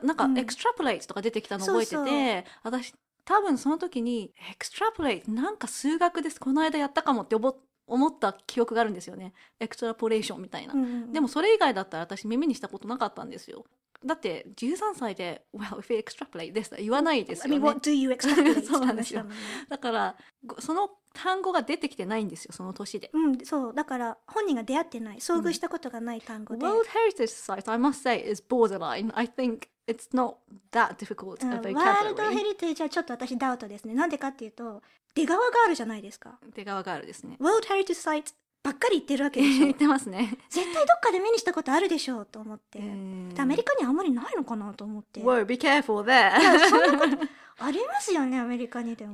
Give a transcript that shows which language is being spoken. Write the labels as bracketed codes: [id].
[ja] なんか、うん、エクストラプレイトとか出てきたの覚えてて、そうそう、私多分その時にエクストラプレイト、なんか数学ですこの間やったかもって思った記憶があるんですよね、エクストラポレーションみたいな、うんうん、でもそれ以外だったら私耳にしたことなかったんですよ。だって13歳で [en] Well, if you extrapolate this, [ja] 言わないですよね。 [en] I mean, what do you extrapolate? [ja] そうなんですよ。だからその単語が出てきてないんですよ、その年で。うん、そう、だから本人が出会ってない、遭遇したことがない単語で、うん、 [en] World Heritage Site, I must say, is borderline. I think it's not that difficult a vocabulary. [ja] ワールドヘリテージはちょっと私ダウトですね。なんでかっていうと、出川ガールじゃないですか。出川ガールですね。 World Heritage Siteばっかり言ってるわけでしょ。言ってますね。絶対どっかで目にしたことあるでしょうと思って、アメリカにあんまりないのかなと思って。 [en] Whoa, be careful there. [ja] いや、そんなことありますよね、アメリカにでも。